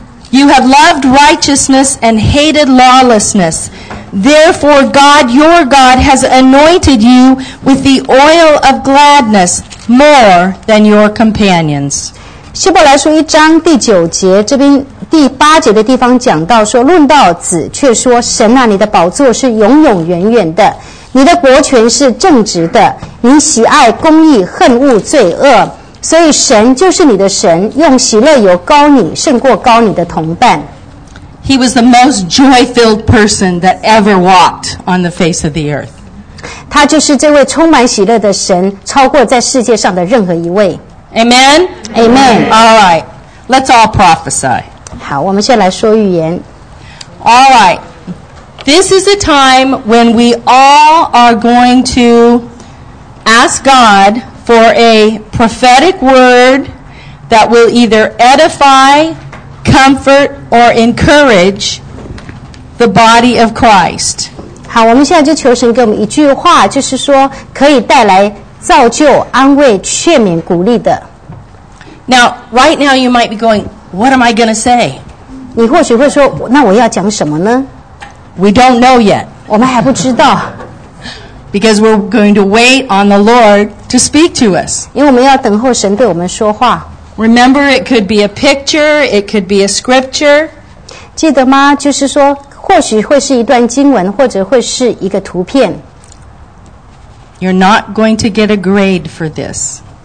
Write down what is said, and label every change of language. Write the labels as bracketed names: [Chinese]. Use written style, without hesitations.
[English] You have loved righteousness and hated lawlessness. Therefore, God, your God, has anointed you with the oil of gladness more than your companions. [Chinese] 希伯来书一章第九节，这边第八节的地方讲到说，论到子却说，神啊，你的宝座是永永远远的，你的国权是正直的，你喜爱公义，恨恶罪恶，所以神就是你的神，用喜乐油膏你，胜过膏你的同伴。 [English] He was the most joy-filled person that ever walked on the face of the earth. [Chinese] 他就是这位充满喜乐的神，超过在世界上的任何一位。 [English] Amen? Amen. All right. Let's all prophesy. [Chinese] 好，我们先来说预言。 [English] All right. This is a time when we all are going to ask God for a prophetic word that will either edify, comfort, or encourage the body of Christ. [Chinese] 好，我们现在就求神给我们一句话，就是说可以带来造就、安慰、劝勉、鼓励的。 [English] Now, right now you might be going, what am I going to say? [Chinese] 你或许会说，那我要讲什么呢？ [English] We don't know yet. [Chinese] 我们还不知道。 [English] Because we're going to wait on the Lord to speak to us. [Chinese] 因为我们要等候神对我们说话。 [English] Remember, it could be a picture, it could be a scripture. [Chinese] 记得吗？就是说，或许会是一段经文，或者会是一个图片。 [English] You're not going to get a grade for this.